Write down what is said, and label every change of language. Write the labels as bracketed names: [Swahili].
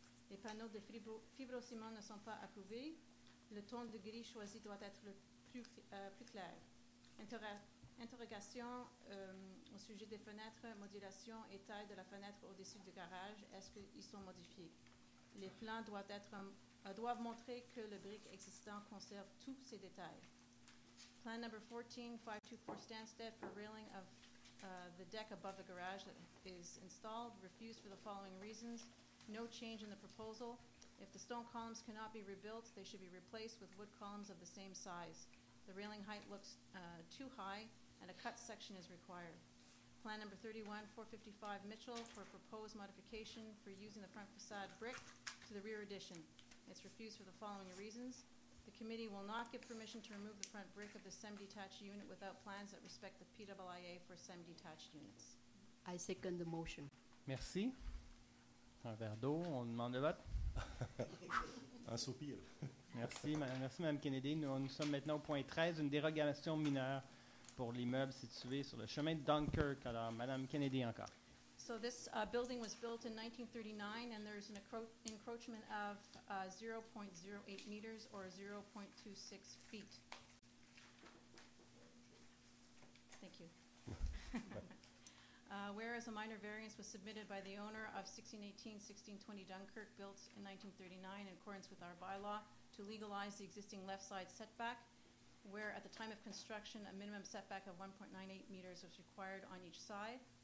[French] Les panneaux de fibro-ciment ne sont pas approuvés. Le ton de gris choisi doit être le plus clair. Interrogation au sujet des fenêtres, modulation et taille de la fenêtre au-dessus du garage, est-ce qu'ils sont modifiés? Les plans doivent montrer que le brick existant conserve tous ces détails. [English] Plan number 14, 524 Stansted for railing of the deck above the garage that is installed, refused for the following reasons. No change in the proposal. If the stone columns cannot be rebuilt, they should be replaced with wood columns of the same size. The railing height looks too high, and a cut section is required. Plan number 31, 455 Mitchell for proposed modification for using the front facade brick to the rear addition. It's refused for the following reasons. The committee will not give permission to remove the front brick of the semi-detached unit without plans that respect the PIIA for semi-detached units. I second the motion. [French] Merci. Un verre d'eau, on demande le vote. Un soupir. Merci, Mme Kennedy. Nous sommes maintenant au point 13, une dérogation mineure pour l'immeuble situé sur le chemin de Dunkirk. Alors, Mme Kennedy encore. [English] So this building was built in 1939, and there's an encroachment of 0.08 meters or 0.26 feet. Thank you. Whereas a minor variance was submitted by the owner of 1618-1620 Dunkirk, built in 1939 in accordance with our bylaw to legalize the existing left side setback, where at the time of construction, a minimum setback of 1.98 meters was required on each side.